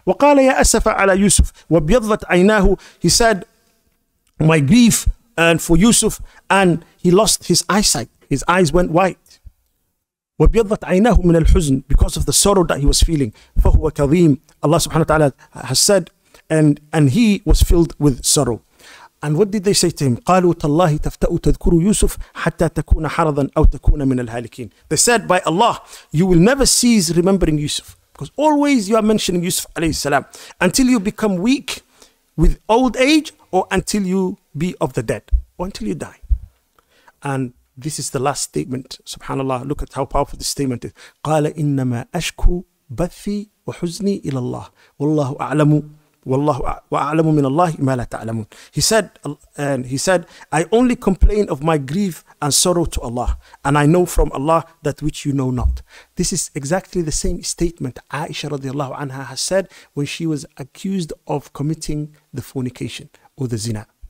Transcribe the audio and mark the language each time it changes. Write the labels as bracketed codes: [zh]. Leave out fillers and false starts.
[ar] وقال يا أسف على يوسف وبيضت عيناه. [en] He said, my grief and for Yusuf, and he lost his eyesight. His eyes went white. [ar] وبيضت عيناه من الحزن, [en] because of the sorrow that he was feeling. [ar] فهو كظيم. [en] Allah subhanahu wa ta'ala has said, and he was filled with sorrow. And what did they say to him? [ar] قالوا تالله تفتأ تذكر يوسف حتى تكون حرضا أو تكون من الهالكين. [en] They said, by Allah, you will never cease remembering Yusuf. Because always you are mentioning Yusuf alayhi salam. Until you become weak with old age, or until you be of the dead, or until you die. And this is the last statement. Subhanallah, look at how powerful this statement is. [ar] قال إنما أشكو بثي وحزني إلى الله والله أعلم. Wallahu wa'alamu min Allah ma la ta'alamun. [en] He said, I only complain of my grief and sorrow to Allah, and I know from Allah that which you know not. This is exactly the same statement Aisha radiallahu anha has said when she was accused of committing the fornication or the zina.